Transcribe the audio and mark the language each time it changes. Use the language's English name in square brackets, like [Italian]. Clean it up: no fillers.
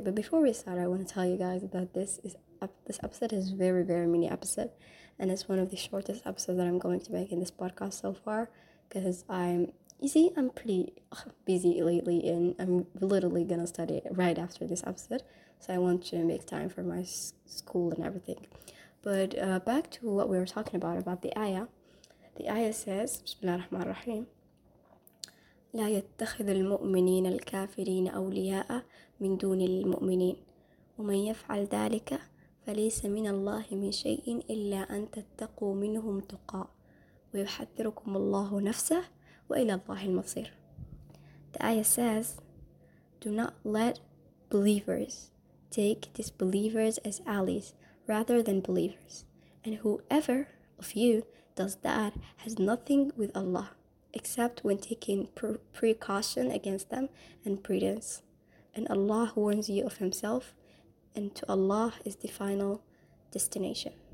[English] But before we start, I want to tell you guys that this episode is very, very mini episode, and it's one of the shortest episodes that I'm going to make in this podcast so far, because I'm pretty busy lately, and I'm literally going to study right after this episode, so I want to make time for my school and everything. But back to what we were talking about the ayah. The ayah says, [Arabic] بسم الله الرحمن الرحيم, لا يتخذ المؤمنين الكافرين أولياء من دون المؤمنين ومن يفعل ذلك فليس من الله من شيء إلا أن تتقوا منهم تقاء ويحذركم الله نفسه وإلى الله المصير. [English] The ayah says, do not let believers take disbelievers as allies rather than believers, and whoever of you does that has nothing with Allah except when taking precaution against them and prudence, and Allah warns you of himself, and to Allah is the final destination.